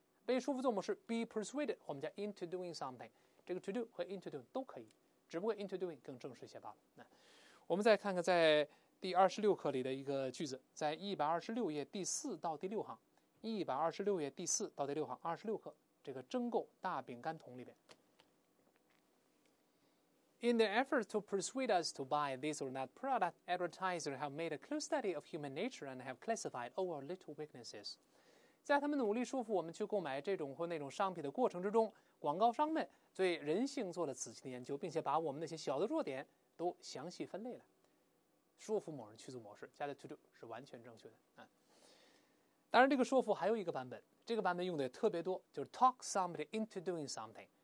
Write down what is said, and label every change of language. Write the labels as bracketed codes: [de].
[zh] 被说服做某事 [en] be persuaded， [zh] 我们加 [en] into doing something， [zh] 这个 to do 和 into doing 都可以，只不过 into doing 更正式一些罢了。我们再看看在第26课里的一个句子，在126页第四到第六行，126页第四到第六行，26课这个蒸垢大饼干桶里边。 [en] In the effort to persuade us to buy this or that product, advertisers have made a close study of human nature and have classified all our little weaknesses. [zh] 在他们努力说服我们去购买这种或那种商品的过程之中，广告商们对人性做了仔细的研究，并且把我们那些小的弱点都详细分类了。说服某人去做某事，加的 to do 是完全正确的。当然这个说服还有一个版本，这个版本用的也特别多，就是 [en] talk somebody into doing something。